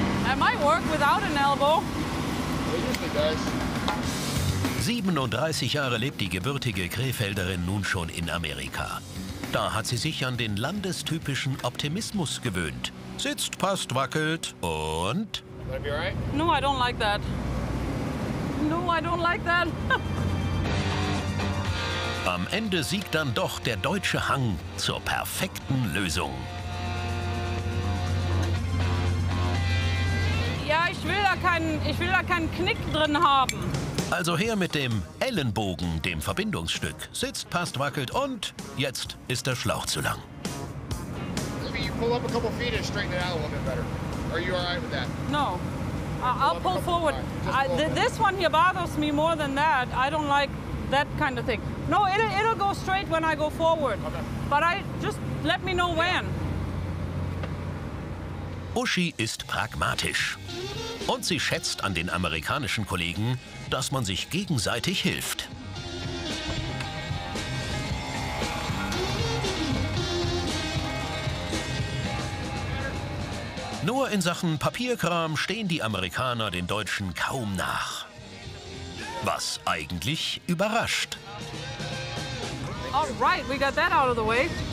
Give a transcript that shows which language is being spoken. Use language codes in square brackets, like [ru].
[en] I might work without an elbow. [de] 37 Jahre lebt die gebürtige Krefelderin nun schon in Amerika. Da hat sie sich an den landestypischen Optimismus gewöhnt. Sitzt, passt, wackelt und... No, I don't like that. No, I don't like that. Am Ende siegt dann doch der deutsche Hang zur perfekten Lösung. Ja, ich will da keinen Knick drin haben. Also her mit dem Ellenbogen, dem Verbindungsstück. Sitzt, passt, wackelt und jetzt ist der Schlauch zu lang. [en] Maybe you pull up a couple feet and straighten it out a little bit better. Are you alright with that? No. I'll pull forward. This one here bothers me more than that. I don't like that kind of thing. No, it'll go straight when I go forward. Okay. But I just let me know when. [de] Uschi ist pragmatisch. Und sie schätzt an den amerikanischen Kollegen, dass man sich gegenseitig hilft. Nur in Sachen Papierkram stehen die Amerikaner den Deutschen kaum nach. Was eigentlich überrascht. [en] All right, we got that out of the way.